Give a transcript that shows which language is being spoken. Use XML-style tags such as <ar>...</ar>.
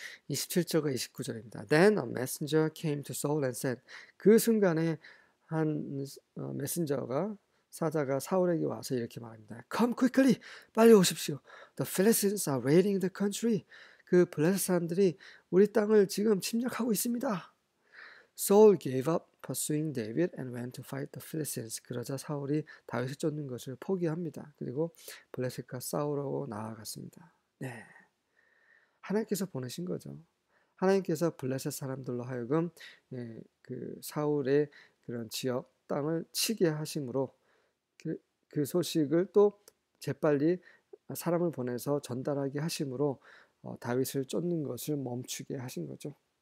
<ko>27절과 29절입니다.</ko> <en>Then a messenger came to Saul and said,</en> <ko>그 순간에 한 메신저가 사자가 사울에게 와서 이렇게 말합니다.</ko> <en>Come quickly,</en> <ko>빨리 오십시오.</ko> <en>The Philistines are raiding the country.</en> <ko>그 블레셋 사람들이 우리 땅을 지금 침략하고 있습니다.</ko> <en>Saul gave up pursuing David and went to fight the Philistines.</en> <ko>그러자 사울이 다윗을 쫓는 것을 포기합니다. 그리고 블레셋과 싸우러 나아갔습니다. 하나님께서 보내신 거죠. 하나님께서 블레셋 사람들로 하여금 그 사울의 그런 지역 땅을 치게 하심으로 그 소식을 또 재빨리 사람을 보내서 전달하게 하심으로 다윗을 쫓는 것을 멈추게 하신 거죠.</ko>